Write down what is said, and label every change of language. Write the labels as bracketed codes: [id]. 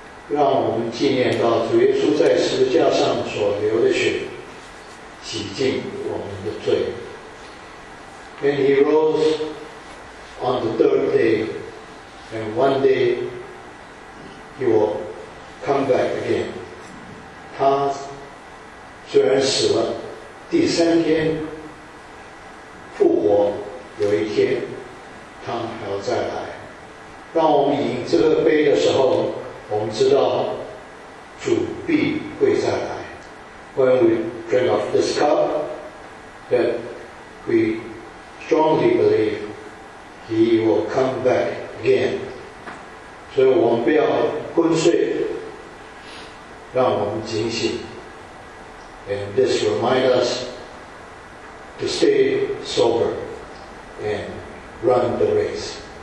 [zh] 让我们纪念到主耶稣在十字架上所流的血，洗净我们的罪。 [en] When he rose on the third day, and one day he will come back again. [zh] 他虽然死了，第三天复活，有一天他还要再来。当我们饮这个杯的时候，我们知道主必会再来。 [en] When we drink of this cup, that we strongly believe he will come back again. [zh] 所以我们不要昏睡，让我们警醒。 [en] And this reminds us to stay sober and run the race.